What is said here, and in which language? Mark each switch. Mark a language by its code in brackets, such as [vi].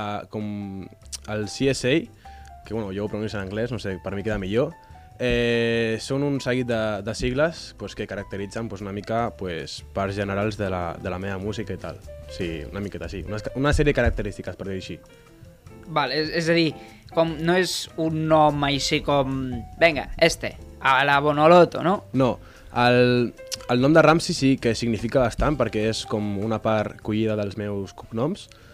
[ca] Com el CSA, que bueno, jo ho pronuncio en anglès, no sé, per mi queda millor. Són un seguit de sigles pues, que caracteritzen pues, una mica pues, parts generals de la meva música i tal. Sí, una miqueta, sí. Una sèrie de característiques, per dir així. Vale, és a dir, com no és un nom així com... [es] Venga, este, a la Bonoloto, no? [ca] No, el nom de Ramsi sí que significa bastant perquè és com una part collida dels meus cognoms.